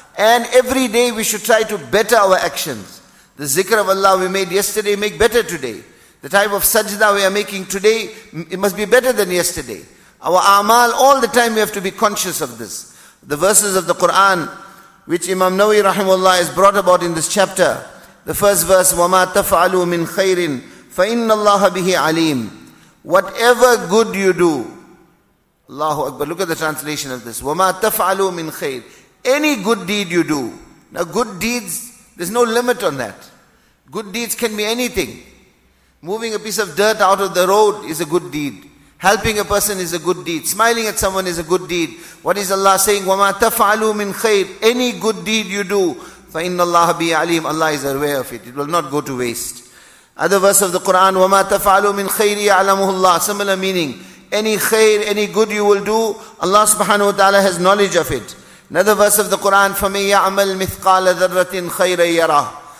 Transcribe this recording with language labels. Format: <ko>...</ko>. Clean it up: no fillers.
<en>And every day we should try to better our actions. The zikr of Allah we made yesterday, make better today. The type of sajda we are making today, it must be better than yesterday. Our amal, all the time we have to be conscious of this. The verses of the Quran, which Imam Nawawi rahimahullah has brought about in this chapter. The first verse,</en> <ar>وَمَا تَفْعَلُوا مِنْ خَيْرٍ فَإِنَّ اللَّهَ بِهِ عَلِيمٍ.</ar> <en>Whatever good you do, Allahu Akbar, look at the translation of this.</en> <ar>وَمَا تَفْعَلُوا مِنْ خَيْرٍ.</ar> <en>Any good deed you do. Now good deeds, there's no limit on that. Good deeds can be anything. Moving a piece of dirt out of the road is a good deed. Helping a person is a good deed. Smiling at someone is a good deed. What is Allah saying?</en> <ar>وَمَا تَفْعَلُوا مِنْ خَيْرٍ.</ar> <en>Any good deed you do,</en> <ar>فَإِنَّ اللَّهَ بِي عَلِيمٍ.</ar> <en>Allah is aware of it. It will not go to waste. Other verse of the Quran,</en> <ar>وَمَا تَفَعَلُوا مِنْ خَيْرِ يَعْلَمُهُ اللَّهِ.</ar> <en>Similar meaning. Any khair, any good you will do, Allah subhanahu wa ta'ala has knowledge of it. Another verse of the Quran,</en> <ar>فَمَنْ يَعْمَلْ مِثْقَالَ ذَرَّةٍ خَيْرًا يَرَهُ.</ar>